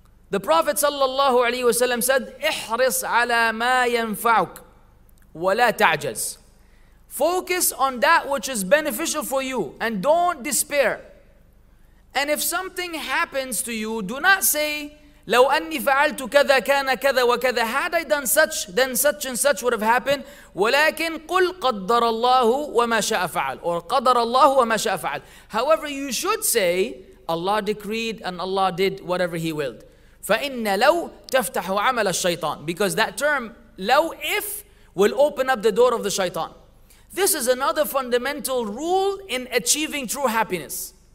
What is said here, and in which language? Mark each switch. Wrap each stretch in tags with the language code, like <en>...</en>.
<en>The Prophet</en> <ar>sallallahu alaihi wasallam said, احرص على ما ينفعك ولا تعجز.</ar> <en>Focus on that which is beneficial for you and don't despair. And if something happens to you, do not say,</en> <ar>لو أني فعلت كذا كان كذا وكذا.</ar> <en>Had I done such, then such and such would have happened.</en> <ar>ولكن قل قدر الله وما شاء فعل. Or قدر الله وما شاء فعل.</ar> <en>However, you should say, Allah decreed and Allah did whatever He willed.</en> <ar>فإن لو تفتح عمل الشيطان.</ar> <en>Because that term, لو if, will open up the door of the shaitan. This is another fundamental rule in achieving true happiness.</en>